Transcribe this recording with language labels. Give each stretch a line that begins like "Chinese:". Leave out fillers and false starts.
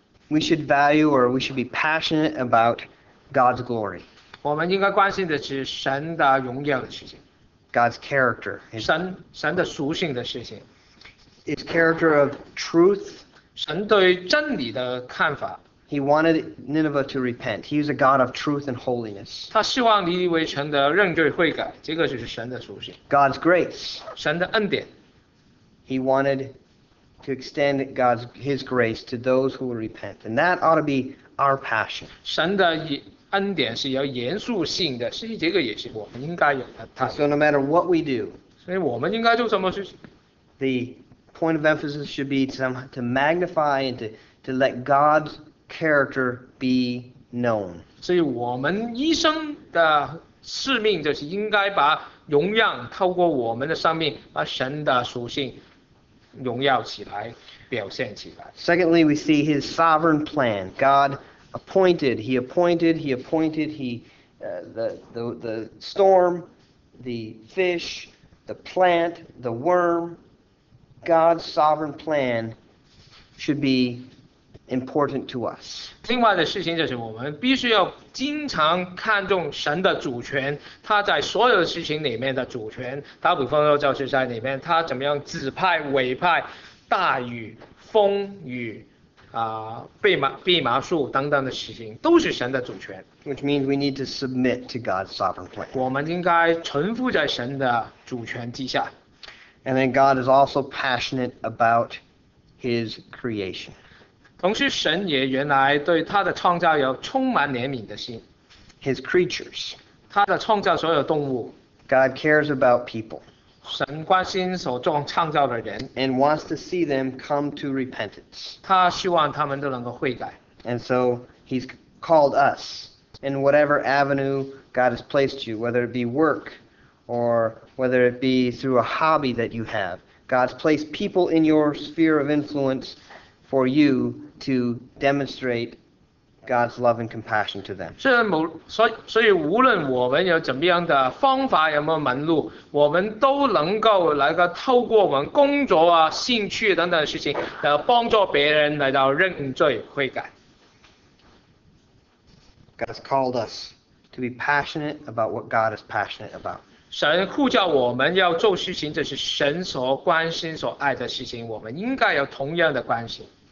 English: We should value or we should be passionate about God's glory.
Chinese: 我们应该关心的是神的荣耀的事情。
English: God's character.
Chinese: 神的属性的事情。
English: His character of truth.
Chinese: 神对真理的看法。
English: He wanted Nineveh to repent. He is a God of truth and holiness.
Chinese: 他希望尼尼微城的认罪悔改，这个就是神的属性。
English: God's grace.
Chinese: 神的恩典。
English: He wanted to extend His grace to those who will repent. And that ought to be our passion.
Chinese: 神的恩典是有严肃性的，所以这个也是我们应该有的。
English: So no matter what we do,
Chinese: 所以我们应该做什么事情
English: ？The point of emphasis should be to magnify and to let God's character be known.
Chinese: 所以我们一生的使命就是应该把荣耀透过我们的生命，把神的属性荣耀起来，表现起来。
English: Secondly, we see His sovereign plan, God. Appointed, he appointed, he appointed, he, the storm, the fish, the plant, the worm, God's sovereign plan should be important to us.
Chinese: 另外的事情就是我们必须要经常看重神的主权，他在所有的事情里面的主权，打比方说就是在里面他怎么样指派委派大雨风雨。蓖麻树等等的事情都是神的主权。
English: Which means we need to submit to God's sovereign plan.
Chinese: 我们应该臣服在神的主权之下。
English: And then God is also passionate about His creation.
Chinese: 同时，神也原来对他的创造有充满怜悯的心。
English: His creatures.
Chinese: 他的创造所有动物。
English: God cares about people.
Chinese: 神关心所创造的人
English: ，and wants to see them come to repentance.
Chinese: 他希望他们都能够悔改。
English: And so He's called us in whatever avenue God has placed you, whether it be work or whether it be through a hobby that you have. God's placed people in your sphere of influence for you to demonstrate God's love and compassion to them.
Chinese: 所以无论我们有怎么样的方法，有没有门路，我们都能够来个透过我们工作啊、兴趣等等的事情，帮助别人来到认罪悔改。
English: God has called us to be passionate about what God is passionate about.
Chinese: 神呼叫我们要做事情，这是神所关心、所爱的事情，我们应该有同样的关心。